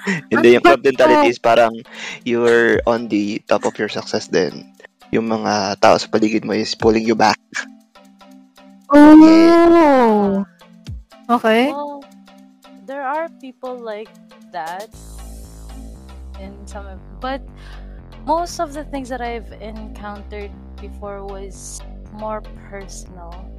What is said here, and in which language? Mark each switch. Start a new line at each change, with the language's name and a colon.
Filipino: Hindi, yung
English: crab mentality is
Filipino: parang
English: you're on the top of your success then.
Filipino: Yung mga tao sa paligid mo
English: is pulling you back. Oh! Yeah. Okay. Well, there are people like that in some, but most of the things that I've encountered before was more personal.